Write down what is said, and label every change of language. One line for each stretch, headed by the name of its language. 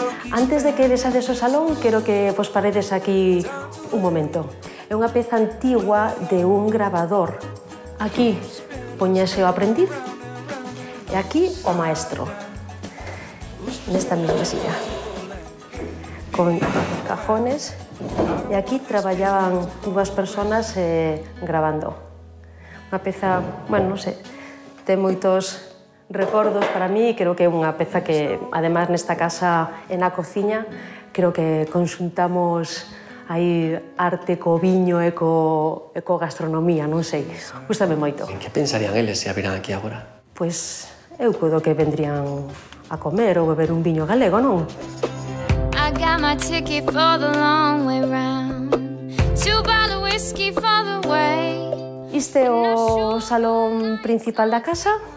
Galician: Antes de que desades o salón, quero que vos paredes aquí un momento. É unha peza antigua de un grabador. Aquí poñese o aprendiz e aquí o maestro. Nesta mesma silla, con cajones E aquí traballaban dúas persoas grabando. Unha peza, bueno, non sei, ten moitos recordos para mí, creo que é unha peza que, además, nesta casa, en a cociña, creo que consultamos aí arte co viño e co gastronomía, non sei. Gústame moito. En que pensarían eles se a viran aquí agora? Pois eu creo que vendrían a comer ou beber un viño galego, non?
English: I got my ticket for the long way round. Two bottle of whiskey for the way.
Galician: Este é o salón principal da casa.